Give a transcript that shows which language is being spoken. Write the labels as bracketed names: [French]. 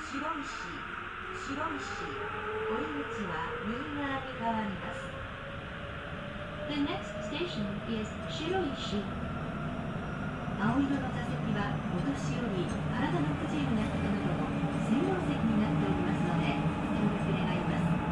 [Japanese] 白石、降り口は右側に変わります。 [English] The next station is 白石。 [Japanese] 青色の座席はお年寄り、体の不自由な人などの専用席になっておりますので、ご協力願います。